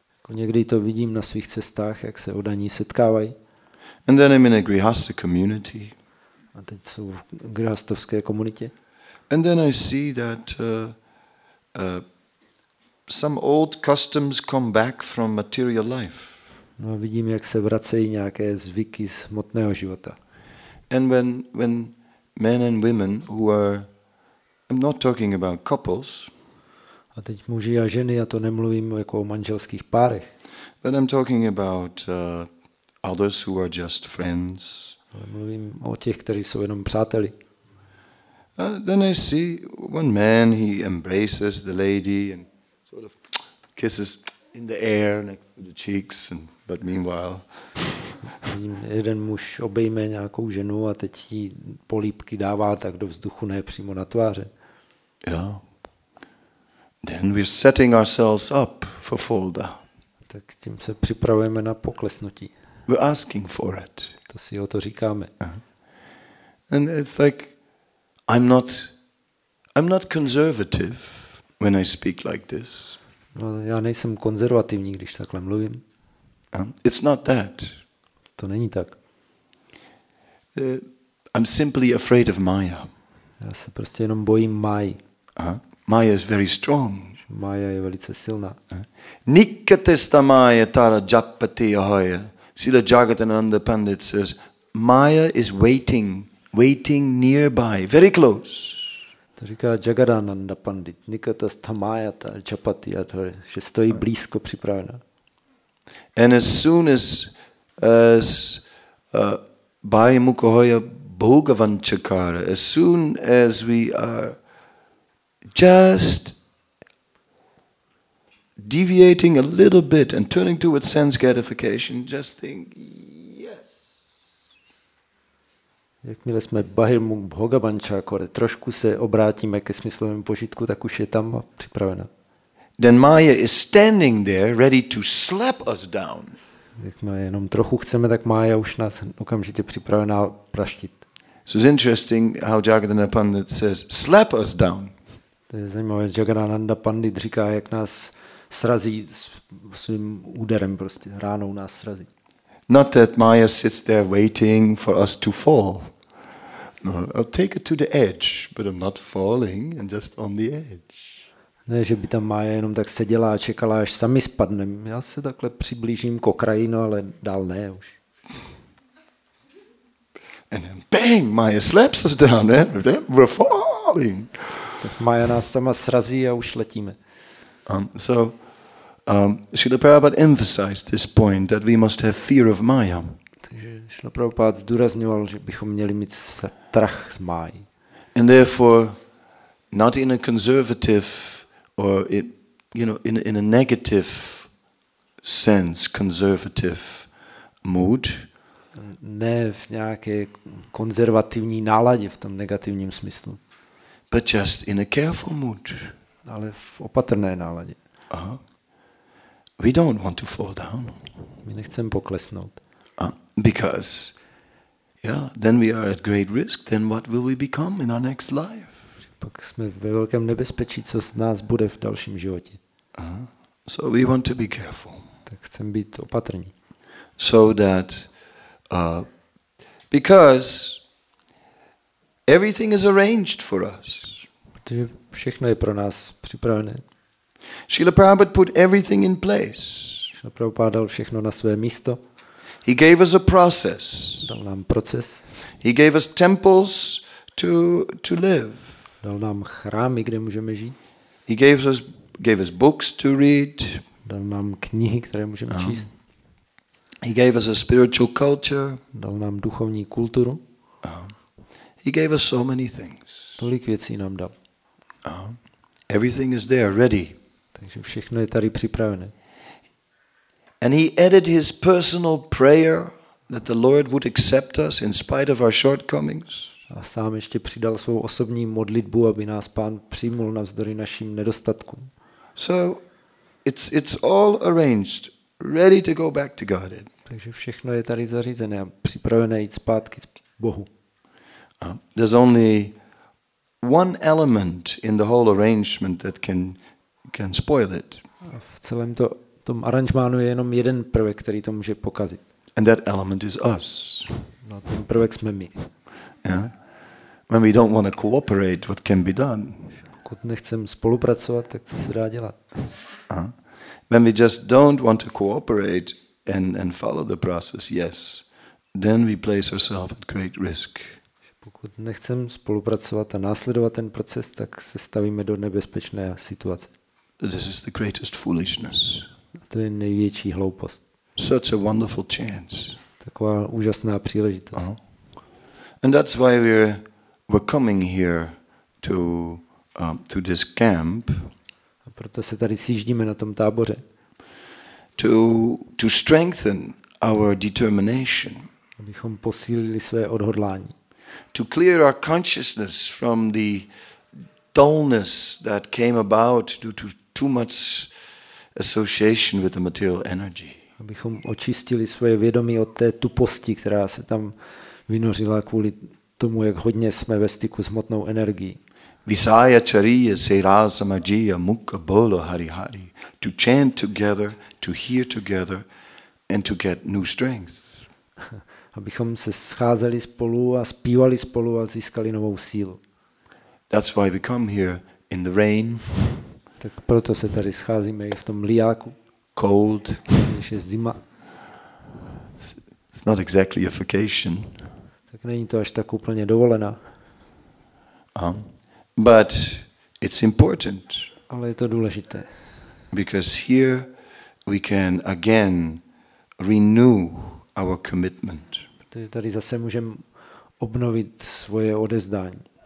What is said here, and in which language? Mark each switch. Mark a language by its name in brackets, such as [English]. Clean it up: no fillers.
[Czech] Někdy to vidím na svých cestách, jak se odaní setkávají. [English] And then I'm in a grihastha community. [Czech] A teď jsou v grihastovské komunitě. [English] And then I see that some old customs come back from material life. [Czech] No a vidím, jak se vracejí nějaké zvyky z hmotného života. [English] And when men and women who are, I'm not talking about couples. [Czech] A teď muži a ženy, já to nemluvím jako o manželských párech. [English] But I'm talking about others who are just friends. [Czech] Ale mluvím o těch, kteří jsou jenom přáteli. [English] Then I see one man, he embraces the lady and sort of kisses in the air next to the cheeks, and but meanwhile. [Czech] Jeden muž obejme nějakou ženu a teď jí polípky dává tak do vzduchu, ne přímo na tváře. Yeah. [English] Then we're setting ourselves up for fall down. [Czech] Tak tím se připravujeme na poklesnutí. [English] We're asking for it. [Czech] To si o to říkáme. [English] And it's like I'm not conservative when I speak like this. [Czech] No, já nejsem konzervativní, když takhle mluvím. [English] It's not that. [Czech] To není tak. [English] I'm simply afraid of Maya. [Czech] Já se prostě jenom bojím Mayi. [English] Maya is very strong. [Czech] Maya je velice silná. [Bangla] Nikatesta Maya tara japati ahaya. [English] Srila Jagatananda Pandit says Maya is waiting nearby, very close. [Czech] To říká Jagatananda Pandit. [Bangla] Nikatesta Maya tara japati ahaya, [Czech] že stojí blízko připravena. [English] And as soon as as [Bangla] Bhayamukhoya Bhogavanchakara, [English] as soon as we are just deviating a little bit and turning towards sense gratification, just think, yes. [Czech] Jakmile jsme [Bangla] Bhayamukh Bhogavanchakara, [Czech] trošku se obrátíme ke smyslovému požitku, tak už je tam připravena. [English] Then Maya is standing there, ready to slap us down. [Czech] Jakmile jenom trochu chceme, tak Maya už nás okamžitě připravená praštit. [English] So it's interesting how Jagannath Pandit says, slap us down. [Czech] To je zajímavé, Jagannanda Pandit říká, jak nás srazí svým úderem, prostě ránou nás srazí. [English] Not that Maya sits there waiting for us to fall. No, I'll take it to the edge, but I'm not falling, and just on the edge. [Czech] Ne, že by tam Maja jenom tak seděla a čekala, až sami spadnem. Já se takhle přiblížím k okraji, no ale dál ne už. [English] And then bang, Maya slaps us down, and then we're falling. [Czech] Tak Maja nás sama srazí a už letíme. [English] Srila Prabhupada emphasized this point that we must have fear of Maya. [Czech] Takže Srila Prabhupada zdůrazňoval, že bychom měli mít strach z Máji. [English] And therefore, not in a conservative or it, you know, in a negative sense, conservative mood. [Czech] Ne v nějaké konzervativní náladě, v tom negativním smyslu. [English] But just in a careful mood. [Czech] Ale v opatrné náladě. Aha. [English] We don't want to fall down. [Czech] My nechcem poklesnout. [English] Because, yeah, then we are at great risk. Then what will we become in our next life? [Czech] Pak jsme ve velkém nebezpečí, co z nás bude v dalším životě. [English] So we want to be careful. [Czech] Tak chcem být opatrní. [English] So that because everything is arranged for us. [Czech] Protože všechno je pro nás připravené. [English] Srila Prabhupada put everything in place. [Czech] Srila Prabhupada dal všechno na své místo. [English] He gave us a process. [Czech] Dal nám proces. [English] He gave us temples to live. [Czech] Dal nám chrámy, kde můžeme žít. [English] He gave us books to read. [Czech] Dal nám knihy, které můžeme číst. [English] He gave us a spiritual culture. [Czech] Dal nám duchovní kulturu. [English] He gave us so many things. [Czech] Tolik věcí nám dal. [English] Everything is there ready. [Czech] Takže všechno je tady připravené. [English] And he added his personal prayer that the Lord would accept us in spite of our shortcomings. [Czech] A sám ještě přidal svou osobní modlitbu, aby nás Pán přijmul navzdory našim nedostatkům. [English] So it's all arranged, ready to go back to God. [Czech] Takže všechno je tady zařízené a připravené jít zpátky k Bohu. [English] There's only one element in the whole arrangement that can spoil it. [Czech] A v celém tom aranžmánu je jenom jeden prvek, který to může pokazit. [English] And that element is us. [Czech] No, ten prvek jsme my. Yeah. [English] When we don't want to cooperate, what can be done? [Czech] Pokud nechcem spolupracovat, tak co se dá dělat? [English] When we just don't want to cooperate and follow the process, yes, then we place ourselves at great risk. [Czech] Pokud nechcem spolupracovat a následovat ten proces, tak se stavíme do nebezpečné situace. [English] This is the greatest foolishness. [Czech] A to je největší hloupost. [English] Such a wonderful chance. [Czech] Taková úžasná příležitost. [English] And that's why we're coming here to this camp. [Czech] A proto se tady sjíždíme na tom táboře. [English] To strengthen our determination. [Czech] Abychom posílili své odhodlání. [English] To clear our consciousness from the dullness that came about due to too much association with the material energy. [Czech] Abychom očistili svoje vědomí od té tuposti, která se tam vynořila kvůli tomu, jak hodně jsme ve styku s hmotnou energií. [Bangla] Visaya chariya se rasa magia mukha bolo hari hari. [English] To chant together, to hear together and to get new strength. [Czech] Abychom se scházeli spolu a zpívali spolu a získali novou sílu. [English] That's why we come here in the rain. [Czech] Tak proto se tady scházíme i v tom mlíáku. [English] Cold. [Czech] Když je zima. [English] It's not exactly a vacation. [Czech] Tak není to až tak úplně dovolená. [English] But it's important. [Czech] Ale je to důležité. [English] Because here we can again renew our commitment. [Czech] Protože tady zase můžeme obnovit svoje odevzdání.